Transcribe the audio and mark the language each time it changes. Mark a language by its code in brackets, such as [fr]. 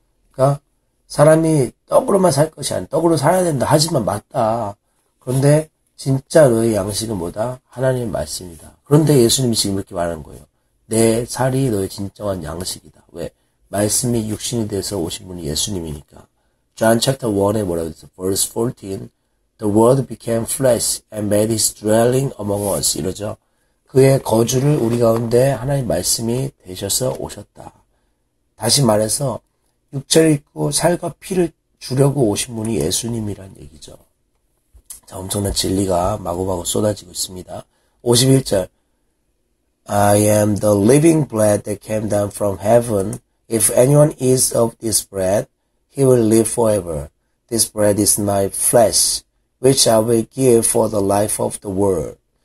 [ko] 그러니까 사람이 떡으로만 살 것이 아니 떡으로 살아야 된다 하지만 맞다. 그런데 진짜 너의 양식은 뭐다? 하나님의 말씀이다. 그런데 예수님이 지금 이렇게 말하는 거예요. 내 살이 너의 진정한 양식이다. 왜? 말씀이 육신이 돼서 오신 분이 예수님이니까. [en] John chapter 1에 [ko] 뭐라고 했어? [en] Verse 14. The word became flesh and made his dwelling among us. [ko] 이러죠. 그의 거주를 우리 가운데 하나님 말씀이 되셔서 오셨다. 다시 말해서, 육체를 입고 살과 피를 주려고 오신 분이 예수님이란 얘기죠. 자, 엄청난 진리가 마구마구 쏟아지고 있습니다. 51절. [en] I am the living bread that came down from heaven. If anyone eats of this bread, he will live forever. This bread is my flesh, which I will give for the life of the world.